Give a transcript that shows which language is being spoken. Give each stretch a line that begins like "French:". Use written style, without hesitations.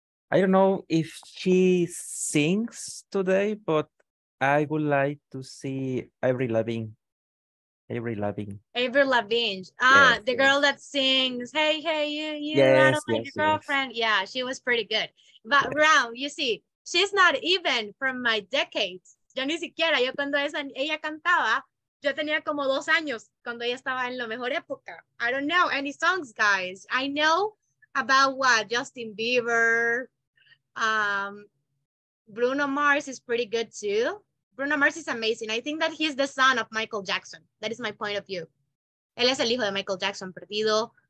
English: I don't know if she sings today, but I would like to see Avril Lavigne. Girl that sings, hey, hey, you, yes, I don't like yes, your girlfriend. Yes. Yeah, she was pretty good. But yes. Brown, you see, she's not even from my decade.
Spanish: Yo ni siquiera, yo cuando ella cantaba, yo tenía como 2 años cuando ella estaba en la mejor época.
English: I don't know any songs, guys. I know about what, Justin Bieber, Bruno Mars is pretty good too. Bruno Mars is amazing. I think that he's the son of Michael Jackson. That is my point of view.
Spanish: Él es el hijo de Michael Jackson, perdido.